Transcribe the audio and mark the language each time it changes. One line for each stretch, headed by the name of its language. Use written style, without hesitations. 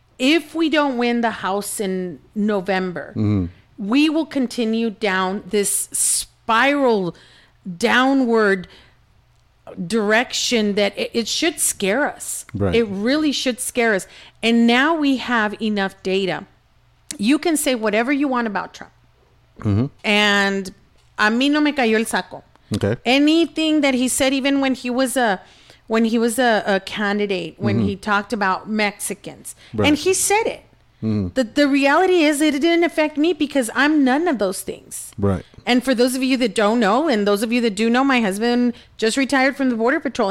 English: If we don't win the House in November, we will continue down this spiral downward direction that it should scare us. Right. It really should scare us. And now we have enough data. You can say whatever you want about Trump.
Spanish: And a mí no me cayó el saco.
English: Okay. Anything that he said, even when he was a candidate, when he talked about Mexicans. Right. And he said it. The reality is that it didn't affect me because I'm none of those things. Right. And for those of you that don't know, and those of you that do know, my husband just retired from the Border Patrol.